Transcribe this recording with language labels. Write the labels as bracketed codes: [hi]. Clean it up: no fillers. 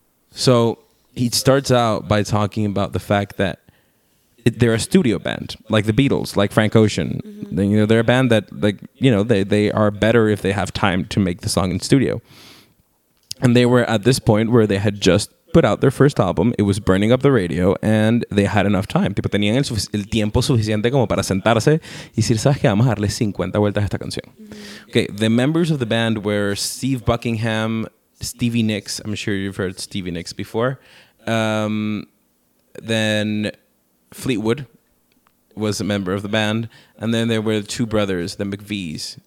[en] So, he starts out by talking about the fact that they're a studio band, like the Beatles, like Frank Ocean. Mm-hmm. You know, they're a band that, like, you know, they are better if they have time to make the song in studio. And they were at this point where they had just put out their first album. It was burning up the radio, and they had enough time. [es] Tipo, tenían el tiempo suficiente como para sentarse y decir, ¿sabes qué? Vamos a darle 50 vueltas a esta canción. Mm-hmm. [en] Okay, the members of the band were Steve Buckingham, Stevie Nicks. I'm sure you've heard Stevie Nicks before. Then Fleetwood was a member of the band. And then there were two brothers, the McVees,